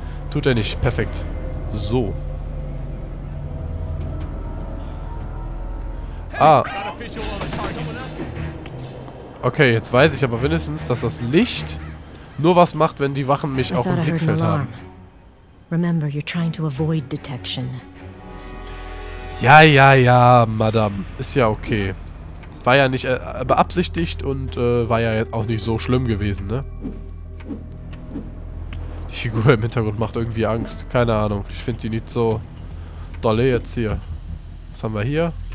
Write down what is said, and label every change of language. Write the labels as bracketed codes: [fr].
[de] Tut er nicht. Perfekt. So. Ah. Okay, jetzt weiß ich aber wenigstens, dass das Licht nur was macht, wenn die Wachen mich auch im Blickfeld haben. [en] Remember, you're trying to avoid detection. [de] Ja, Madame. Ist ja okay. War ja nicht beabsichtigt und war ja auch nicht so schlimm gewesen, ne? Die Figur im Hintergrund macht irgendwie Angst. Keine Ahnung. Ich finde die nicht so dolle jetzt hier. Was haben wir hier?